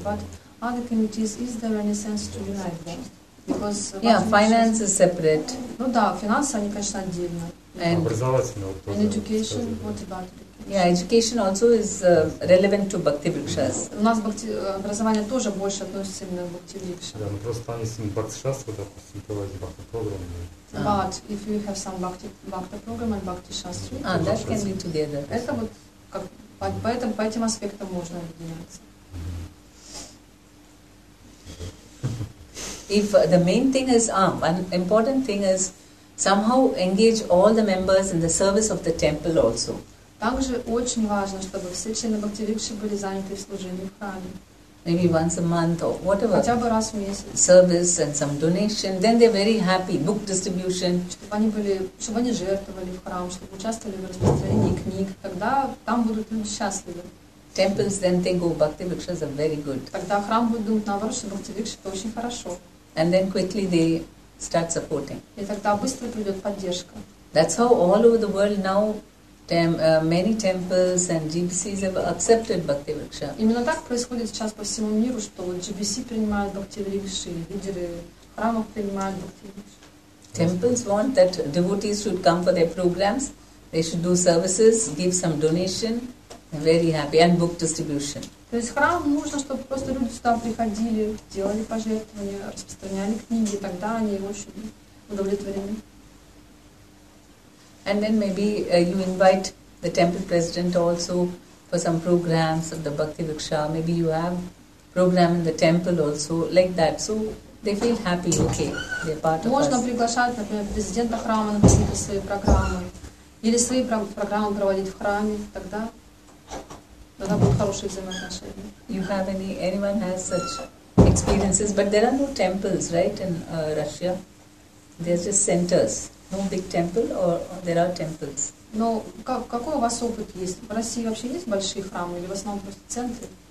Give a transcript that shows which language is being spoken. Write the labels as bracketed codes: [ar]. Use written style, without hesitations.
[en] But other committees, is there any sense to unite them? Because finance is separate. [ru] Ну да, финансы они конечно отдельно. [en] And education, what about education? Yeah, education also is relevant to bhakti rikshas. [ru] У нас образование тоже больше относится именно к бхакти рикшам. Да, мы просто там есть бхакти шастра, допустим, то есть бхакти программа. [en] But if you have some bhakti program and bhakti shastra, that can be together. [ru] Это вот как по этим аспектам можно объединяться. [en] If the main thing is, an important thing is. Somehow engage all the members in the service of the temple also. [ru] Также очень важно, чтобы все члены бхакти рикши были заняты в служении в храме. [en] Maybe once a month or whatever. [ru] Хотя бы раз в месяц. [en] Service and some donation, then they're very happy. Book distribution. [ru] Чтобы они жертвовали в храм, чтобы участвовали в распространении книг, тогда там будут люди счастливы. [en] Temples then think, oh, bhakti rikshas are very good. [ru] Тогда храм будет думать наоборот, что бхакти рикши это очень хорошо. [en] And then quickly they start supporting. [ru] И тогда быстро придет поддержка. [en] That's how all over the world now many temples and GBCs have accepted bhakti riksha. [ru] Именно так происходит сейчас по всему миру, что GBC принимают бхакти рикши, лидеры храмов принимают бхакти рикши. [en] Temples want that devotees should come for their programs, they should do services, give some donation, very happy, and book distribution. [ru] То есть храм нужно, чтобы просто люди сюда приходили, делали пожертвования, распространяли книги, тогда они очень удовлетворены. [en] And then maybe you invite the temple president also for some programs of the bhakti riksha. Maybe you have program in the temple also like that. So they feel happy, okay, they're part of [ru] Можно приглашать, например, президента храма, например, свои программы, или свои программы проводить в храме, тогда, тогда будут хорошие взаимоотношения. [en] You have any, anyone has such experiences, but there are no temples, right, in Russia? There's just centers, no big temple, or there are temples? [ru] Но как, какой у вас опыт есть? В России вообще есть большие храмы или в основном просто центры?